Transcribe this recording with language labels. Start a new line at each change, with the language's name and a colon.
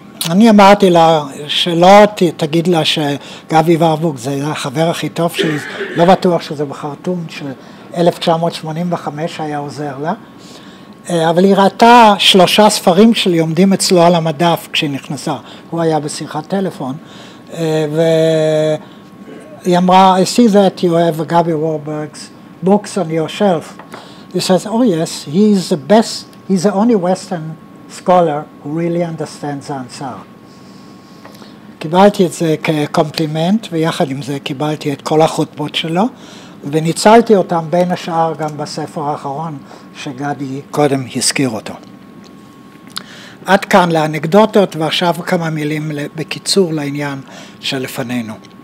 Hebrew: אני אמרתי לה, שלא תגיד לה שגבי ורבוק, זה החבר הכי טוב שלי, לא בטוח שזה בחרטום של 1985 היה עוזר לה. אבל היא ראתה שלושה ספרים שלי עומדים אצלו על המדף כשהיא נכנסה. הוא היה בשיחת טלפון. והיא אמרה,
English: I see that you have Gabi Warburg's books on your shelf. He says, oh yes, he's the best, he's the only Western scholar who really understands the answer.
Hebrew: קיבלתי את זה כקומפלימנט, ויחד עם זה קיבלתי את כל החוטבות שלו, וניצלתי אותם בין השאר גם בספר האחרון, שגדי קודם הזכיר אותו. עד כאן לאנקדוטות, ועכשיו כמה מילים בקיצור לעניין שלפנינו.